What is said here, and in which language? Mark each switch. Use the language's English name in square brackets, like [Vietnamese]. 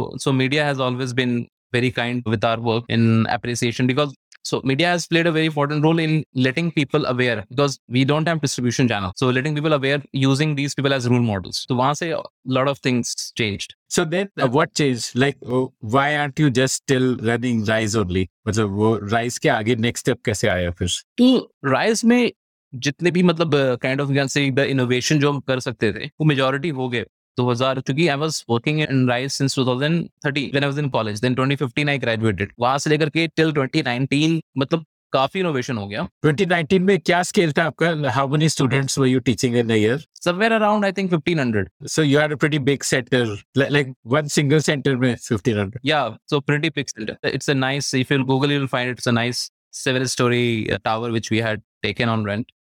[English] So, media has always been very kind with our work in appreciation because so media has played a very important role in letting people aware because we don't have distribution channel. So letting people aware using these people as role models. So once a lot of things changed. So then what changed? Like why aren't you just still running RISE only? [Hindi] मतलब वो RISE के आगे next step कैसे आया फिर? तो RISE में जितने भी मतलब kind of जैसे the innovation जो हम कर सकते थे वो majority हो गए. [English] 2000 क्योंकि I was working in RISE since 2013 when I was in college. Then 2015 I graduated. [Hindi] वहाँ से लेकर के till 2019 मतलब काफी innovation हो गया. 2019 में क्या scale था आपका? [English] How many students were you teaching in a year? Somewhere around I think 1500. So you had a pretty big center, like one single center में 1500. Yeah, so pretty big center. It's a nice, if you Google you'll find it's a nice 7-story tower which we had taken on rent.